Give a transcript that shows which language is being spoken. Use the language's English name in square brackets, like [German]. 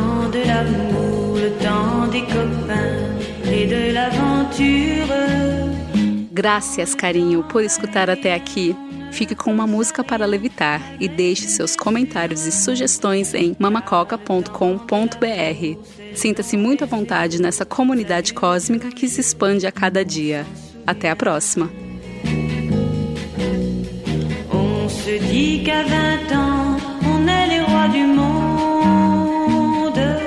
[French] De l'amour, le temps des copains et de l'aventure. [Portuguese] Gracias, carinho, por escutar até aqui. Fique com uma música para levitar e deixe seus comentários e sugestões em mamacoca.com.br. Sinta-se muito à vontade nessa comunidade cósmica que se expande a cada dia. Até a próxima. [French] On se dit qu'à 20 ans, on est les rois du monde.